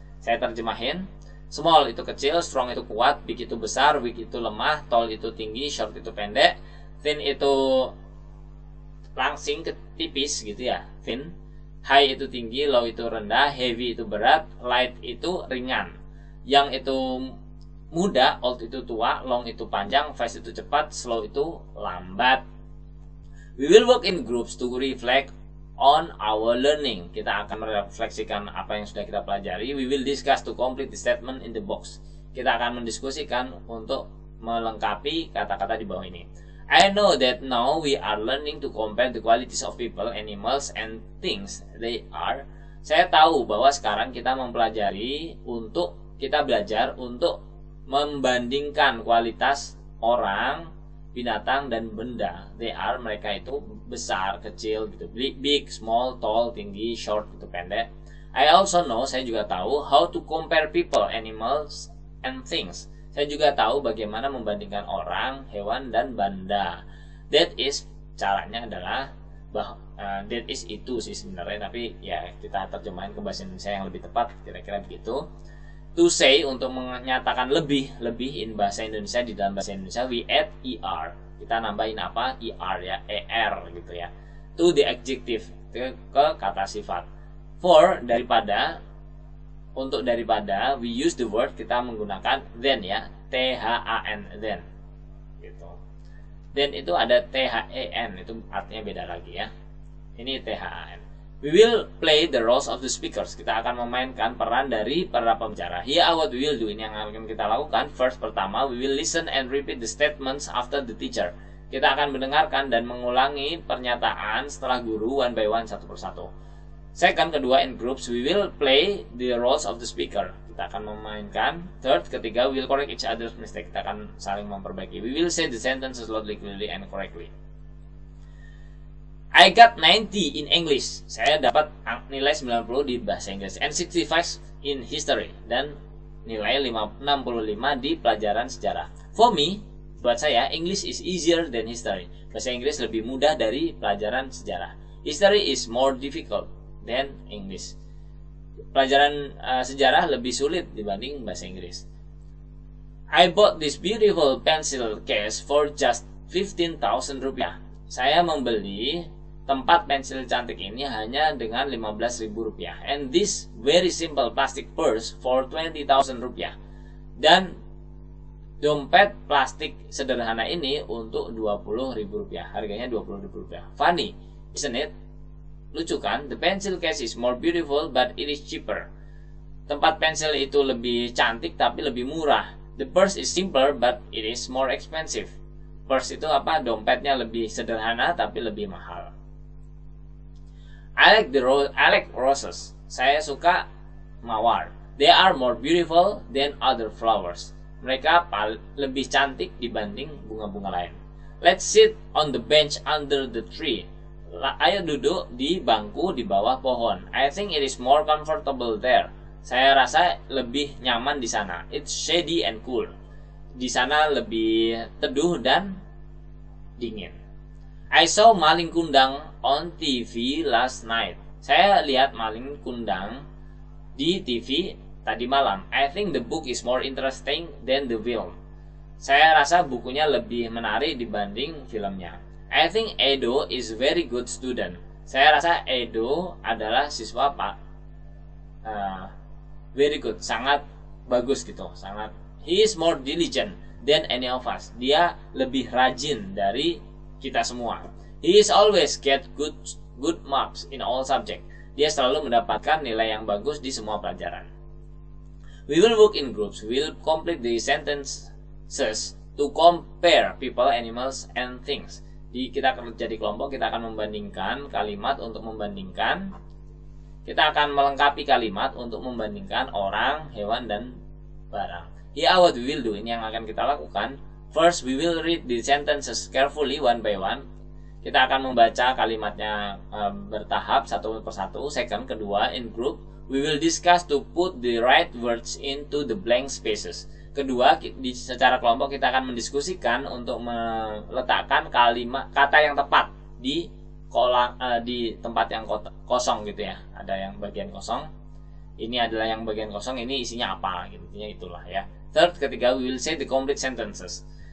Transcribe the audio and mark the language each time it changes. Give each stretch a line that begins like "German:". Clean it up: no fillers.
Indonesian: Saya terjemahin.
English: Small
Indonesian: itu kecil,
English: strong
Indonesian: itu kuat,
English: big
Indonesian: itu besar,
English: weak
Indonesian: itu lemah,
English: tall
Indonesian: itu tinggi,
English: short
Indonesian: itu pendek,
English: thin
Indonesian: itu langsing, tipis gitu ya, thin.
English: High
Indonesian: itu tinggi,
English: low
Indonesian: itu rendah,
English: heavy
Indonesian: itu berat,
English: light
Indonesian: itu ringan.
English: Young
Indonesian: itu muda,
English: old
Indonesian: itu tua,
English: long
Indonesian: itu panjang,
English: fast
Indonesian: itu cepat,
English: slow
Indonesian: itu lambat.
English: We will work in groups to reflect on our learning.
Indonesian: Kita akan merefleksikan apa yang sudah kita pelajari.
English: We will discuss to complete the statement in the box.
Indonesian: Kita akan mendiskusikan untuk melengkapi kata-kata di bawah ini.
English: I know that now we are learning to compare the qualities of people, animals, and things they are.
Indonesian: Saya tahu bahwa sekarang kita mempelajari untuk kita belajar untuk membandingkan kualitas orang, binatang, dan benda.
English: They are,
Indonesian: mereka itu besar, kecil, gitu.
English: Big, small, tall,
Indonesian: tinggi,
English: short, gitu,
Indonesian: pendek.
English: I also know,
Indonesian: saya juga tahu,
English: how to compare people, animals, and things.
Indonesian: Saya juga tahu bagaimana membandingkan orang, hewan, dan benda.
English: That is,
Indonesian: caranya adalah,
English: that is
Indonesian: itu sih sebenarnya, tapi ya kita terjemahin ke bahasa Indonesia yang lebih tepat, kira-kira begitu.
English: To say,
Indonesian: untuk menyatakan lebih in bahasa Indonesia, di dalam bahasa Indonesia,
English: we add er.
Indonesian: Kita nambahin apa? Er ya, er gitu ya.
English: To the adjective,
Indonesian: ke kata sifat.
English: For,
Indonesian: daripada, untuk daripada,
English: we use the word,
Indonesian: kita menggunakan
English: then ya, than, then. Gitu.
Indonesian: Then itu ada than, itu artinya beda lagi ya. Ini than.
English: We will play the roles of the speakers.
Indonesian: Kita akan memainkan peran dari para pembicara.
English: Here are what we will do.
Indonesian: Ini yang akan kita lakukan.
English: First,
Indonesian: pertama,
English: we will listen and repeat the statements after the teacher.
Indonesian: Kita akan mendengarkan dan mengulangi pernyataan setelah guru,
English: one by one,
Indonesian: satu persatu.
English: Second,
Indonesian: kedua,
English: in groups, we will play the roles of the speaker.
Indonesian: Kita akan memainkan.
English: Third,
Indonesian: ketiga, we will correct each other's mistake. Kita akan saling memperbaiki.
English: We will say the sentences loudly, clearly, and correctly. I got 90 in English.
Indonesian: Saya dapat nilai 90 di bahasa Inggris.
English: And 65 in history.
Indonesian: Dan nilai 65 di pelajaran sejarah.
English: For me,
Indonesian: buat saya,
English: English is easier than history.
Indonesian: Bahasa Inggris lebih mudah dari pelajaran sejarah.
English: History is more difficult than English.
Indonesian: Pelajaran sejarah lebih sulit dibanding bahasa Inggris.
English: I bought this beautiful pencil case for just 15,000 rupiah.
Indonesian: Saya membeli tempat pensil cantik ini hanya dengan 15.000 rupiah.
English: And this very simple plastic purse for 20,000 rupiah.
Indonesian: Dan dompet plastik sederhana ini untuk 20.000 rupiah. Harganya 20.000 rupiah.
English: Funny, isn't it?
Indonesian: Lucu kan?
English: The pencil case is more beautiful, but it is cheaper.
Indonesian: Tempat pensil itu lebih cantik, tapi lebih murah.
English: The purse is simpler, but it is more expensive.
Indonesian: Purse itu apa? Dompetnya lebih sederhana, tapi lebih mahal.
English: I like roses.
Indonesian: Saya suka mawar.
English: They are more beautiful than other flowers.
Indonesian: Mereka lebih cantik dibanding bunga-bunga lain.
English: Let's sit on the bench under the tree.
Indonesian: Ayo duduk di bangku di bawah pohon.
English: I think it is more comfortable there.
Indonesian: Saya rasa lebih nyaman di sana.
English: It's shady and cool.
Indonesian: Di sana lebih teduh dan dingin.
English: I saw maling kundang on TV last night.
Indonesian: Saya lihat maling kundang di TV tadi malam.
English: I think the book is more interesting than the film.
Indonesian: Saya rasa bukunya lebih menarik dibanding filmnya.
English: I think Edo is very good student.
Indonesian: Saya rasa Edo adalah siswa Pak.
English: Very good,
Indonesian: sangat bagus gitu, sangat.
English: He is more diligent than any of us.
Indonesian: Dia lebih rajin dari kita semua.
English: He is always get good marks in all subject.
Indonesian: Dia selalu mendapatkan nilai yang bagus di semua pelajaran.
English: We will work in groups. We will complete the sentences to compare people, animals, and things.
Indonesian: Jadi kita kerja di kelompok, kita akan membandingkan kalimat untuk membandingkan. Kita akan melengkapi kalimat untuk membandingkan orang, hewan, dan barang.
English: Here what we will do,
Indonesian: ini yang akan kita lakukan.
English: First, we will read the sentences carefully one by one.
Indonesian: Kita akan membaca kalimatnya bertahap satu per satu.
English: Second,
Indonesian: kedua,
English: in group, we will discuss to put the right words into the blank spaces.
Indonesian: Kedua, secara kelompok kita akan mendiskusikan untuk meletakkan kalimat kata yang tepat di di tempat yang kosong gitu ya. Ada yang bagian kosong. Ini adalah yang bagian kosong, ini isinya apa gitu. Intinya itulah ya.
English: Third,
Indonesian: ketiga,
English: we will say the complete sentences.